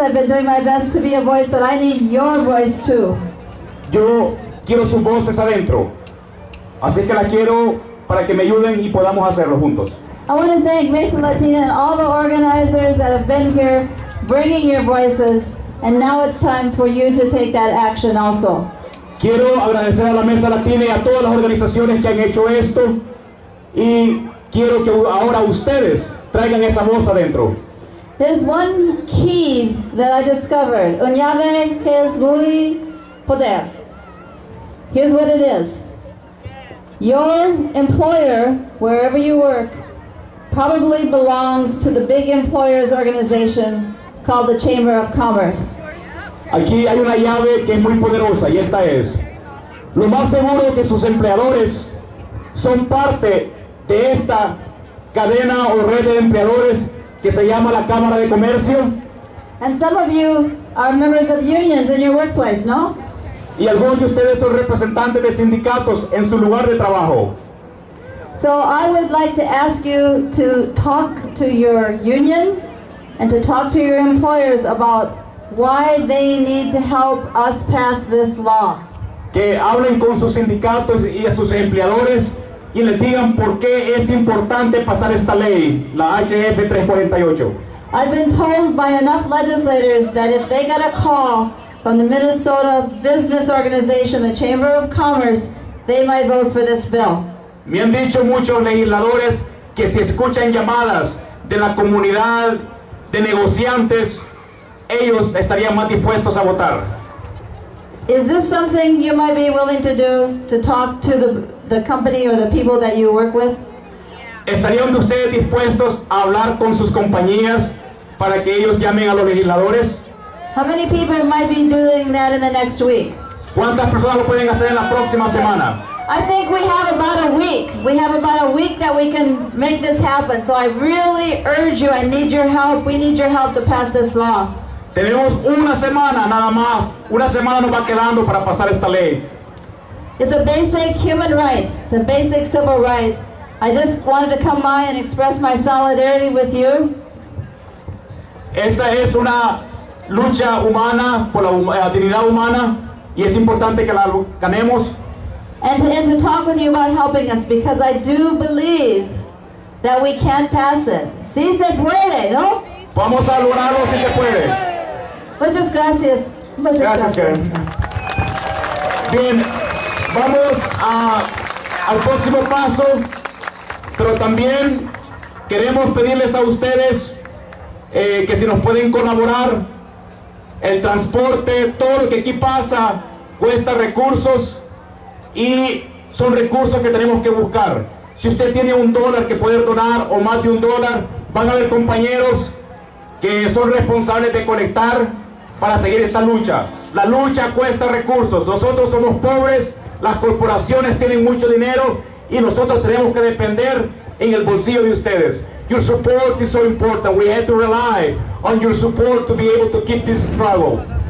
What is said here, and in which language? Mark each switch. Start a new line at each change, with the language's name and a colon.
English: I've been doing my best to be a voice, but I need your voice too.
Spanish: Yo quiero sus voces adentro. Así que las quiero para que me ayuden y podamos hacerlo juntos.
English: I want to thank Mesa Latina and all the organizers that have been here bringing your voices. And now it's time for you to take that action also.
Spanish: Quiero agradecer a la Mesa Latina y a todas las organizaciones que han hecho esto. Y quiero que ahora ustedes traigan esa voz adentro.
English: There's one key that I discovered.
Spanish: Un llave que es muy poder.
English: Here's what it is. Your employer, wherever you work, probably belongs to the big employers organization called the Chamber of Commerce.
Spanish: Aquí hay una llave que es muy poderosa, y esta es. Lo más seguro es que sus empleadores son parte de esta cadena o red de empleadores que se llama la Cámara de Comercio.
English: And some of you are members of unions in your workplace, no?
Spanish: Y algunos de ustedes son representantes de sindicatos en su lugar de trabajo.
English: So I would like to ask you to talk to your union and to talk to your employers about why they need to help us pass this law.
Spanish: Que hablen con sus sindicatos y a sus empleadores y les digan por qué es importante pasar esta ley, la HF 348.
English: I've been told by enough legislators that if they get a call from the Minnesota Business Organization, the Chamber of Commerce, they might vote for this bill.
Spanish: Me han dicho muchos legisladores que si escuchan llamadas de la comunidad de negociantes, ellos estarían más dispuestos a votar.
English: Is this something you might be willing to do, to talk to the company or the people that you work with?
Spanish: ¿Estarían ustedes dispuestos a hablar con sus compañías para que ellos llamen a los legisladores?
English: How many people might be doing that in the next week?
Spanish: ¿Cuántas personas lo pueden hacer en la próxima semana?
English: I think we have about a week. We have about a week that we can make this happen. So I really urge you, I need your help. We need your help to pass this law.
Spanish: Tenemos una semana nada más. Una semana nos va quedando para pasar esta ley.
English: It's a basic human right. It's a basic civil right. I just wanted to come by and express my solidarity with you.
Spanish: Esta es una lucha humana por la dignidad humana y es importante que la ganemos.
English: And to talk with you about helping us, because I do believe that we can pass it.
Spanish: Si se puede, ¿no? Vamos a lograrlo si se puede. Muchas gracias. Muchas gracias. Karen. Bien, vamos al próximo paso, pero también queremos pedirles a ustedes que si nos pueden colaborar. El transporte, todo lo que aquí pasa, cuesta recursos y son recursos que tenemos que buscar. Si usted tiene un dólar que puede donar o más de un dólar, van a haber compañeros que son responsables de conectar para seguir esta lucha. La lucha cuesta recursos. Nosotros somos pobres, las corporaciones tienen mucho dinero y nosotros tenemos que depender en el bolsillo de ustedes.
English: Your support is so important. We have to rely on your support to be able to keep this struggle.